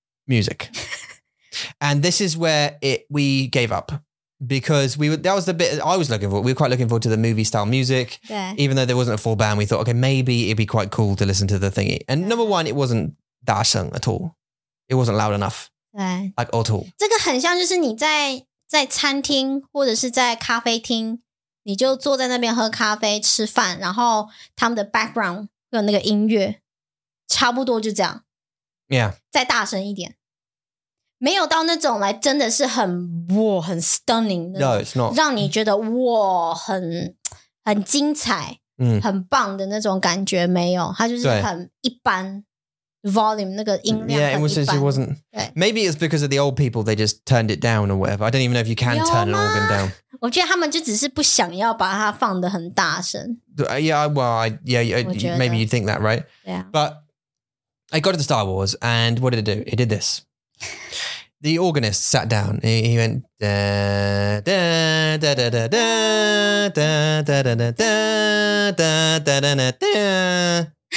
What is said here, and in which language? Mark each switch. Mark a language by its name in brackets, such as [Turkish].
[English] Music. And this is where we gave up because that was the bit I was looking for. We were quite looking forward to the movie style music. Yeah. Even though there wasn't a full band, we thought, okay, maybe it'd be quite cool to listen to the thingy. And number one, it wasn't 大声 at all. It wasn't loud enough. Yeah. Like at all. [Chinese] 这个很像就是你在餐厅或者是在咖啡厅，你就坐在那边喝咖啡吃饭，然后他们的 background 跟那个音乐差不多就这样。 [English] Yeah. [Chinese] 再大声一点。没有到那种来真的是很哇很 stunning 的 [English] No, it's not. [Chinese] 让你觉得哇很精彩很棒的那种感觉没有它就是很一般 volume 那个音量很一般 [English] Yeah, it was just, it wasn't, [Chinese] 对 [English] Maybe it's because of the old people they just turned it down or whatever. I don't even know if you can turn an organ down. [Chinese] 我觉得他们就只是不想要把它放得很大声 [English] Yeah, well, maybe you think that, right? Yeah. But I got to the Star Wars and what did it do? It did this. The organist sat down. He went da da da da da da da da da da da da da da da da.